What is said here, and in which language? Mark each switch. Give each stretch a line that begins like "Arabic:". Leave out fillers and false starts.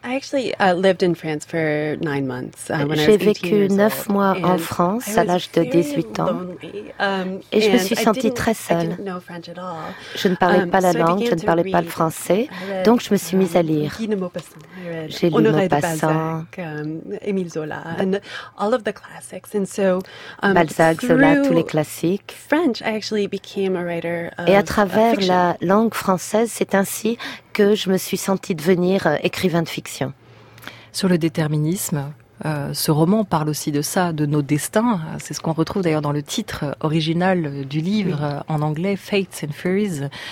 French: J'ai vécu 9 mois en France à l'âge de 18 ans, et je me suis sentie très seule. Je ne parlais pas la langue, je ne parlais pas le français, donc je me suis mise à lire. J'ai lu Maupassant,
English: Zola, and all of the classics, and so
French: Balzac, Zola, tous les classiques.
English: French, I actually became a writer of fiction.
French: Et à travers la langue française, c'est ainsi que je me suis sentie devenir écrivain de fiction. Sur le déterminisme, ce roman parle aussi de ça, de nos destins. C'est ce qu'on retrouve d'ailleurs dans le titre original du livre en anglais, Fates and Furies.